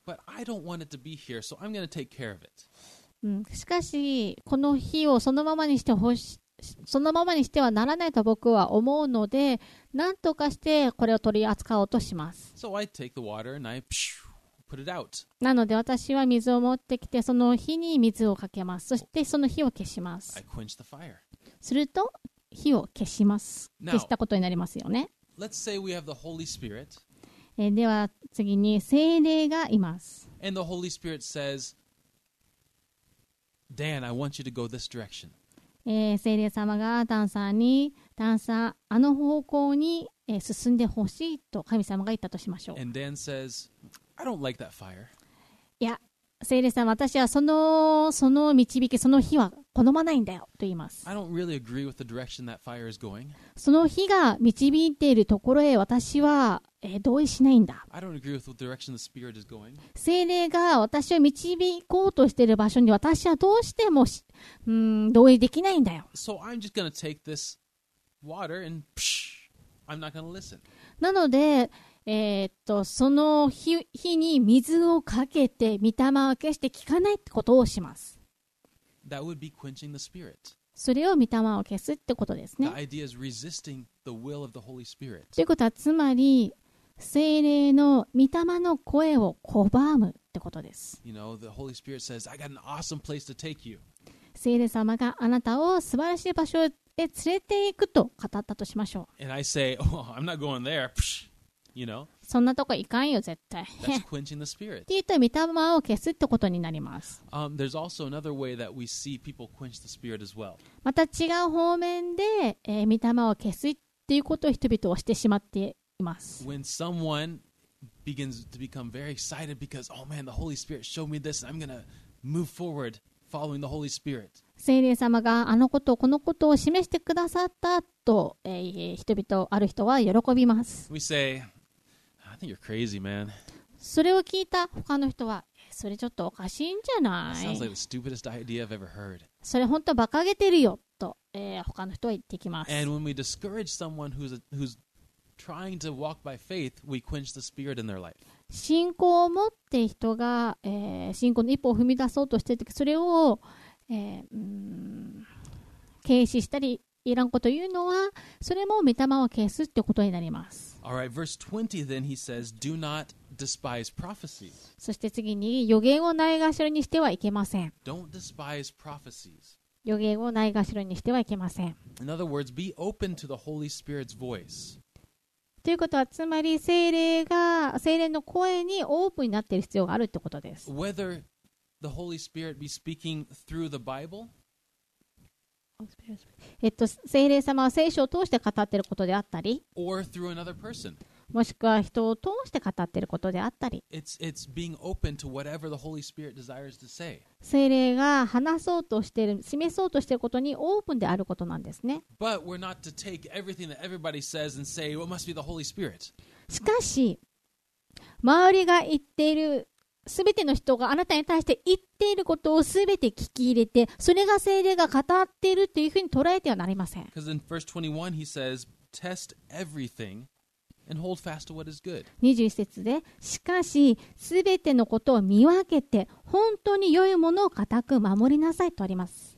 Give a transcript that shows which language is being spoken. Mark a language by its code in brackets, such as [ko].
[en] But I don't want it to be here, so I'm going to take care of it.、 [ja] しかし、この火をそのままにしてほしい。そのままにしてはならないと僕は思うので、なんとかしてこれを取り扱おうとします。 [en] So I take the water and I... Put it out. [ja] なので私は水を持ってきてその火に水をかけます。そしてその火を消します。 [en] I quench the fire. [ja] すると火を消します。 [en] Now, [ja] 消したことになりますよね。 [en] Let's say we have the Holy Spirit. [ja] では次に聖霊がいます。 [en] And the Holy Spirit says, Dan, I want you to go this direction. [ja] 聖霊様がダンさんに、ダンさん、あの方向に、進んでほしいと神様が言ったとしましょう。 [en] And Dan says,I don't like that fire. [ja] いや、聖霊さん、私はその導き、その火は好まないんだよと言います。 [en] I don't really agree with the direction that fire is going. [ja] その火が導いているところへ私は、同意しないんだ。 [en] I don't agree with the direction the spirit is going. [ja] 聖霊が私を導こうとしている場所に私はどうしても同意できないんだよ。 [en] So I'm just gonna take this water and psh, I'm not gonna listen. [ja] なので、その火に水をかけて御霊を消して聞かないってことをします。 [en] That would be quenching the spirit. [ja] それを御霊を消すってことですね。 [en] The idea is resisting the will of the Holy Spirit. [ja] ということはつまり聖霊の御霊の声を拒むってことです。 [en] You know, the Holy Spirit says, I got an awesome place to take you. [ja] 聖霊様があなたを素晴らしい場所へ連れて行くと語ったとしましょう。 [en] And I say, oh, I'm not going there. Pshh! You know? [ja] そんなとこ行かんよ絶対。 [en] That's quenching the spirit. [ja] って言うと御霊を消すってことになります。 [en] There's also another way that we see people quench the spirit as well. [ja] また違う方面で、御霊を消すっていうことを人々はしてしまっています。 [en] When someone begins to become very excited because, oh man, the Holy Spirit showed me this, and I'm gonna move forward following the Holy Spirit. [ja] 聖霊様があのことをこのことを示してくださったと、人々ある人は喜びます。 [en] We say, I think you're crazy, man. [ja] それを聞いた他の人はそれちょっとおかしいんじゃない。 [en] Sounds like the stupidest idea I've ever heard. [ja] それ本当バカげてるよと、他の人は言ってきます。 [en] And when we discourage someone who's trying to walk by faith, we quench the spirit in their life. [ja] 信仰を持って人が、信仰の一歩を踏み出そうとしてそれを軽視したりいらんこと言うのはそれも御霊を消すってことになります。 [en] All right, verse 20 then he says, do not despise prophecies. [ja] そして次に予言をないがしろにしてはいけません。 [en] Don't despise prophecies. [ja] 予言をないがしろにしてはいけません。 [en] In other words, be open to the Holy Spirit's voice. [ja] ということはつまり聖霊が聖霊の声にオープンになっている必要があるってことです。 [en] WhetherThe Holy Spirit be speaking through the Bible? [ja] 聖霊様は聖書を通して語っていることであったり [en] Or through another person. [ja] もしくは人を通して語っていることであったり [en] it's being open to whatever the Holy Spirit desires to say. [ja] 聖霊が話そうとしている、示そうとしていることにオープンであることなんですね。 [en] But we're not to take everything that everybody says and say, well, it must be the Holy Spirit. [ja] しかし、周りが言っているすべての人があなたに対して言っていることをすべて聞き入れてそれが聖霊が語っているというふうに捉えてはなりません。 [en] Because in verse 21 he says, test everything. And hold fast to what is good. [ja] 21節で、しかし、すべてのことを見分けて、本当に良いものを固く守りなさいとあります。